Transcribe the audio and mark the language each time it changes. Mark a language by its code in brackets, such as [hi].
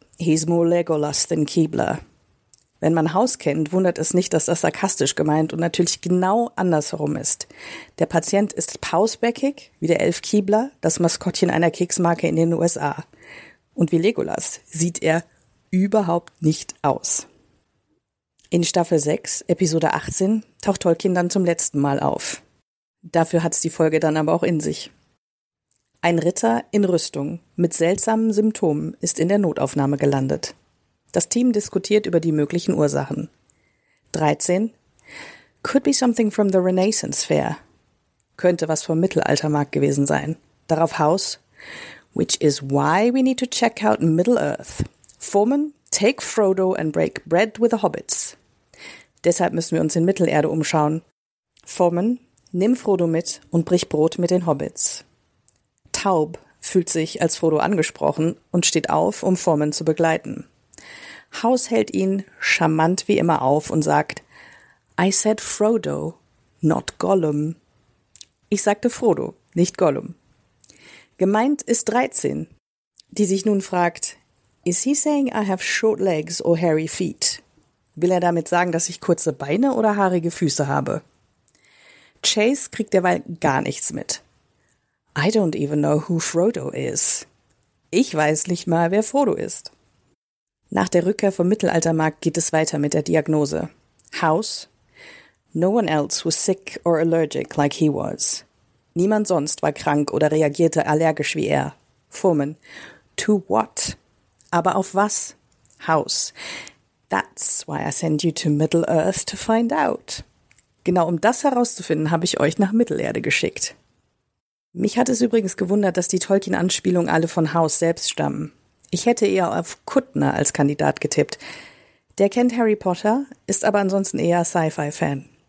[en] He's more Legolas than Keebler. [de] Wenn man House kennt, wundert es nicht, dass das sarkastisch gemeint und natürlich genau andersherum ist. Der Patient ist pausbäckig, wie der Elf Keebler, das Maskottchen einer Keksmarke in den USA. Und wie Legolas sieht er überhaupt nicht aus. In Staffel 6, Episode 18, taucht Tolkien dann zum letzten Mal auf. Dafür hat's die Folge dann aber auch in sich. Ein Ritter in Rüstung mit seltsamen Symptomen ist in der Notaufnahme gelandet. Das Team diskutiert über die möglichen Ursachen. 13. [en] Could be something from the Renaissance Fair. [de] Könnte was vom Mittelaltermarkt gewesen sein. Darauf House. [en] Which is why we need to check out Middle Earth. Foreman, take Frodo and break bread with the Hobbits. [de] Deshalb müssen wir uns in Mittelerde umschauen. Foreman, nimm Frodo mit und brich Brot mit den Hobbits. Taub fühlt sich als Frodo angesprochen und steht auf, um Foreman zu begleiten. House hält ihn charmant wie immer auf und sagt, [en] I said Frodo, not Gollum. [de] Ich sagte Frodo, nicht Gollum. Gemeint ist 13, die sich nun fragt, [en] is he saying I have short legs or hairy feet? [de] Will er damit sagen, dass ich kurze Beine oder haarige Füße habe? Chase kriegt derweil gar nichts mit. [en] I don't even know who Frodo is. [de] Ich weiß nicht mal, wer Frodo ist. Nach der Rückkehr vom Mittelaltermarkt geht es weiter mit der Diagnose. [en] House. No one else was sick or allergic like he was. [de] Niemand sonst war krank oder reagierte allergisch wie er. Furman. [en] To what? [de] Aber auf was? Haus. [en] That's why I send you to Middle-earth to find out. [de] Genau um das herauszufinden, habe ich euch nach Mittelerde geschickt. Mich hat es übrigens gewundert, dass die Tolkien-Anspielungen alle von Haus selbst stammen. Ich hätte eher auf Kuttner als Kandidat getippt. Der kennt Harry Potter, ist aber ansonsten eher Sci-Fi-Fan.